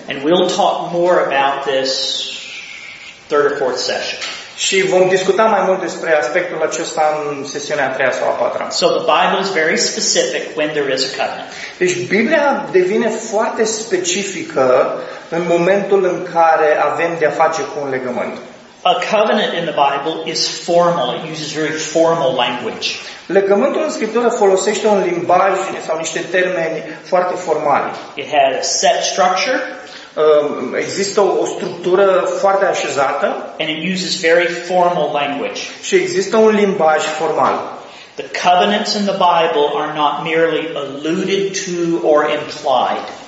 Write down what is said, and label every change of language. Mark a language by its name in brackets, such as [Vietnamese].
[English] And we'll talk more about this third or fourth session. [Romanian] Și vom discuta mai mult despre aspectul acesta în sesiunea a treia sau a patra. [English] So the Bible is very specific when there is a covenant. [Romanian] Deci Biblia devine foarte specifică în momentul în care avem de a face cu un legământ. [English] A covenant in the Bible is formal. It uses very formal language. [Romanian] Legământul în Scriptură folosește un limbaj sau niște termeni foarte formali. [English] It has a set structure. [Romanian] Există o structură foarte așezată. [English] And it uses very formal language. [Romanian] Și există un limbaj formal. [English] The covenants in the Bible are not merely alluded to or implied.